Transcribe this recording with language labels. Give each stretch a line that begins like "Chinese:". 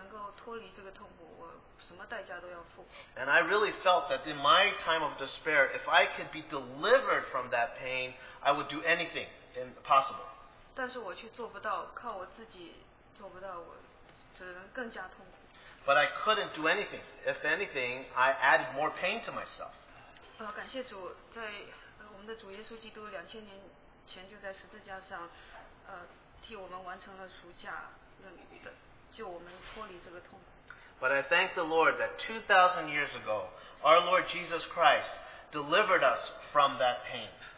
Chinese: 我觉得如果我有能做什么能够脱离这个痛苦，我什么代价都要付。
English: And I really felt that in my time of despair, if I could be delivered from that pain, I would do anything possible.
Chinese: 但是我却做不到，靠我自己做不到，我只能更加痛苦。
English: But I couldn't do anything. If anything, I added more pain to myself.
Chinese: 感谢主，在我们的主耶稣基督2000年前就在十字架上。
English: But I thank the Lord that 2,000 years ago, our Lord Jesus Christ delivered us from that pain.